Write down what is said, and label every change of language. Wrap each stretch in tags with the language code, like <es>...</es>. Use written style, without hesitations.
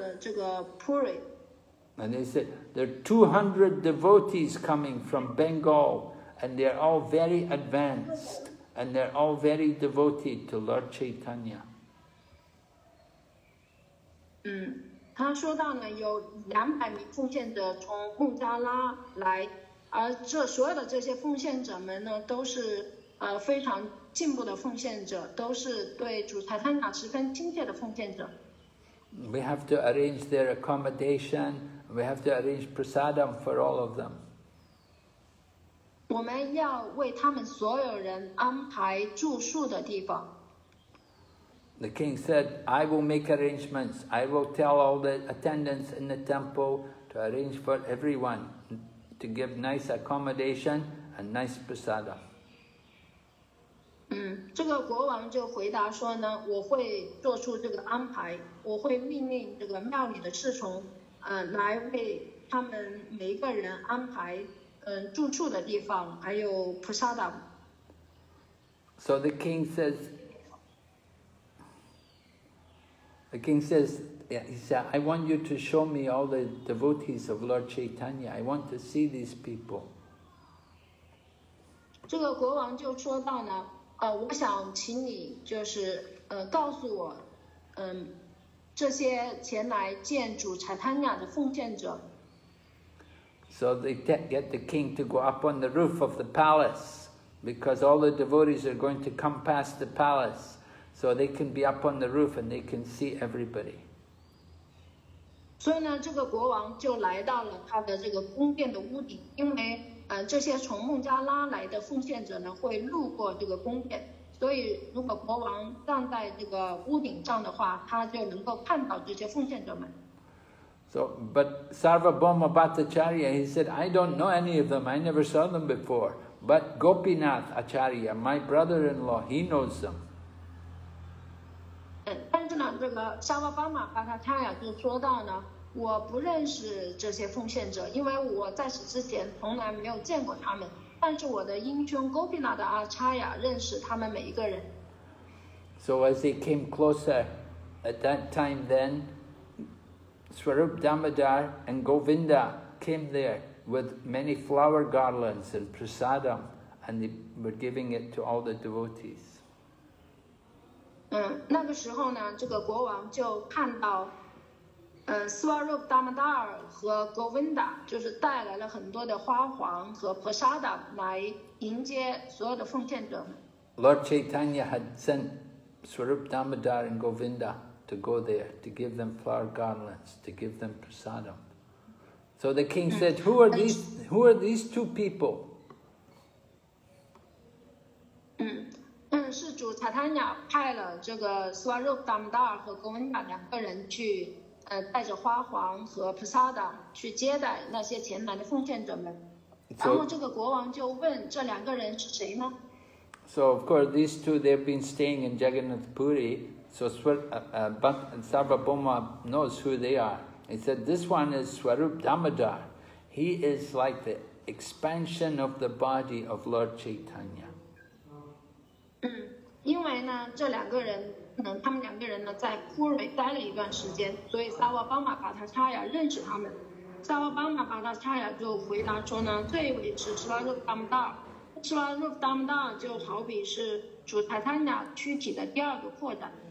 <zh>所以当主查坦雅马卡布他听说他要回布瑞的时候呢，他就回到了加格纳布瑞。与此同时呢，这个萨巴邦瓦巴达查亚他也通知了这个国王，主回到了布瑞。于是呢，这个国王也来到了这个布瑞。</zh> <en>And they said there are 200 devotees coming from Bengal, and they're all very advanced, and they're all very devoted to Lord Chaitanya.</en> <zh>他说到呢，有200名奉献者从孟加拉来，而这所有的这些奉献者们呢，都是非常进步的奉献者，都是对主查坦雅十分亲切的奉献者。</zh> <en>We have to arrange their accommodation. We have to arrange prasadam for all of them.</en> <zh>我们要为他们所有人安排住宿的地方。</zh> <en>The king said, I will make arrangements. I will tell all the attendants in the temple to arrange for everyone to give nice accommodation and nice prasada.</en> <zh>这个国王就回答说呢，我会做出这个安排，我会命令这个庙里的侍从，来为他们每一个人安排，住处的地方，还有prasada。</zh> <en>So the king says, he said, I want you to show me all the devotees of Lord Chaitanya. I want to see these people.</en> <zh>这个国王就说到呢。我想请你就是告诉我，这些前来见主查坦尼亚的奉献者。</zh> <en>So they get the king to go up on the roof of the palace because all the devotees are going to come past the palace, so they can be up on the roof and they can see everybody.</en> <zh>所以呢，这个国王就来到了他的这个宫殿的屋顶，因为。这些从孟加拉来的奉献者呢，会路过这个宫殿，所以如果国王站在这个屋顶上的话，他就能够看到这些奉献者们。</zh> <en>So, but Sarvabhauma Bhattacharya, he said, I don't know any of them. I never saw them before. But Gopinath Acharya, my brother-in-law, he knows them.</en> <zh>但是呢，这个 Sarvabhauma Bhattacharya 就说到呢。我不认识这些奉献者，因为我在此之前从来没有见过他们。但是我的英兄 Gopinath Acharya 认识他们每一个人。</zh> <en>So as he came closer, at that time then, Swarup Damodar and Govinda came there with many flower garlands and prasadam, and they were giving it to all the devotees.</en> <zh>那个时候呢，这个国王就看到。 Swarup Damodar 和 Govinda 就是带来了很多的花环和 prasada 来迎接所有的奉献者们。</zh> <en>Lord Chaitanya had sent Swarup Damodar and Govinda to go there to give them flower garlands, to give them prasada. So the king said, Who are these two people?</en> <zh>是主 Chaitanya 派了这个 Swarup Damodar 和 Govinda 两个人去。带着花环和 prasada 去接待那些前来的奉献者们，</zh> <en>so,</en> <zh>然后这个国王就问这两个人是谁呢？</zh> <en>So of course these two they've been staying in Jagannath Puri, so Sarvabhauma knows who they are. He said this one is Swarup Damodar. He is like the expansion of the body of Lord Chaitanya.</en> <zh>因为呢，这两个人。他们两个人呢在库瑞待了一段时间，所以萨瓦巴玛巴塔查亚认识他们。萨瓦巴玛巴塔查亚就回答说呢，这一位是斯瓦鲁达姆达尔，斯瓦鲁达姆达尔就好比是主查坦尼亚躯体的第二个扩展。</zh>